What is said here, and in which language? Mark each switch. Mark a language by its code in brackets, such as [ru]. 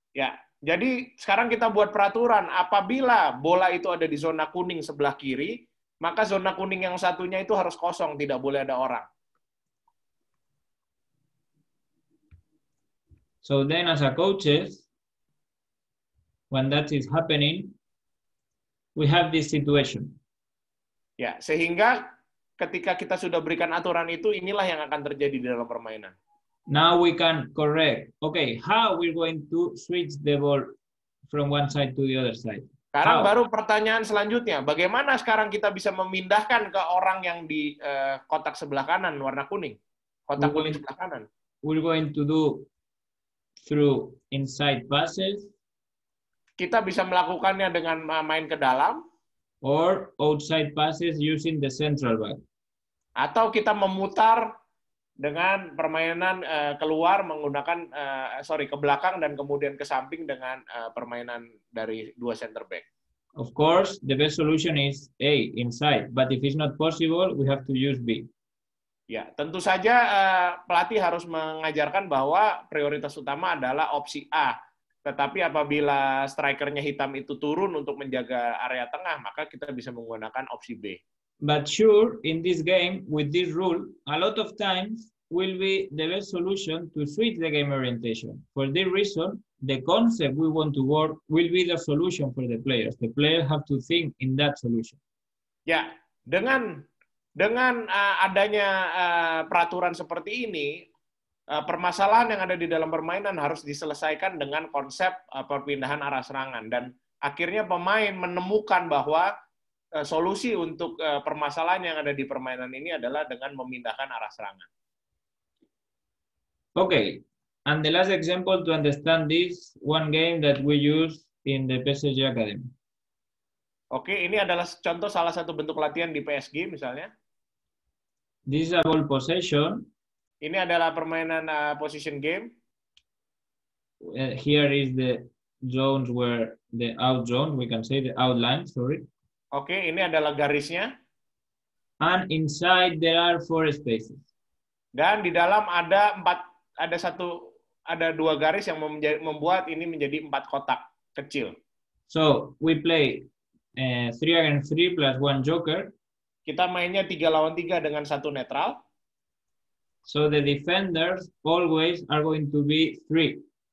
[id] Ya, jadi sekarang kita buat peraturan, apabila bola itu ada di zona kuning sebelah kiri, maka zona kuning yang satunya itu harus kosong, tidak boleh ada orang. [en] So then as a coaches, when that is happening, we have this situation. [id] Ya, sehingga ketika kita sudah berikan aturan itu, inilah yang akan terjadi di dalam permainan. [en] Now we can correct. Okay, how we're going to switch the ball from one side to the other side? [id] Sekarang baru pertanyaan selanjutnya. Bagaimana sekarang kita bisa memindahkan ke orang yang di kotak sebelah kanan, warna kuning? Kotak kuning sebelah kanan. [en] We're going to do through inside passes. [id] Kita bisa melakukannya dengan main ke dalam. [en] Or outside passes using the central back. [id] Atau kita memutar dengan permainan keluar menggunakan ke belakang dan kemudian ke samping dengan permainan dari dua center back. [en] Of course, the best solution is A, inside. But if it's not possible, we have to use B. [id] Ya, tentu saja pelatih harus mengajarkan bahwa prioritas utama adalah opsi A. Tetapi apabila strikernya hitam itu turun untuk menjaga area tengah, maka kita bisa menggunakan opsi B. [en] But sure, in this game, with this rule, a lot of times will be the best solution to switch the game orientation. For this reason, the concept we want to work will be the solution for the players. The players have to think in that solution. [id] Ya, dengan adanya peraturan seperti ini, permasalahan yang ada di dalam permainan harus diselesaikan dengan konsep perpindahan arah serangan. Dan akhirnya pemain menemukan bahwa solusi untuk permasalahan yang ada di permainan ini adalah dengan memindahkan arah serangan. [en] Okay, and the last example to understand this one game that we use in the PSG Academy. [id] Okay, ini adalah contoh salah satu bentuk latihan di PSG misalnya. [en] This is a ball possession. [id] Ini adalah permainan position game. [en] Here is the zones where the out zone, we can say the outline, sorry. [id] Oke, okay, ini adalah garisnya. [en] And inside there are four spaces. [id] Dan di dalam ada empat, ada satu, ada dua garis yang membuat ini menjadi empat kotak kecil. [en] So we play three against three plus one joker. [id] Kita mainnya tiga lawan tiga dengan satu netral. [en] So the defenders always are going to be three.